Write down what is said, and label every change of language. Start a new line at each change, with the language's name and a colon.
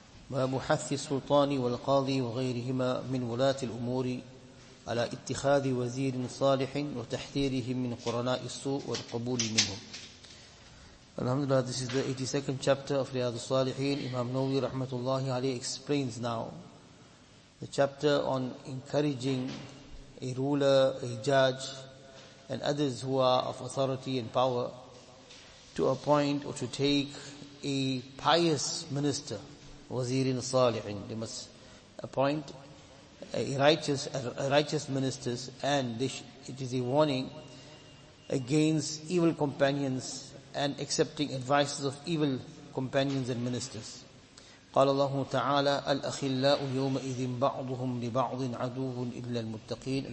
Arabic: باب حث السلطان والقاضي وغيرهما من ولاة الأمور على اتخاذ وزير صالح وتحذيرهم من قرناء السوء والقبول منهم.
English: الحمد لله, this is the 82nd chapter of Riyad al-Salihin. Imam Nawawi rahmatullah alayhi explains now the chapter on encouraging a ruler, a judge, and others who are of authority and power to appoint or to take a pious minister, wazirin salihin. They must appoint a righteous ministers, and it is a warning against evil companions and accepting advices of evil companions and ministers.
Arabic: قال الله تعالى الأخلاء يومئذ بعضهم لبعض عدو إلا المتقين.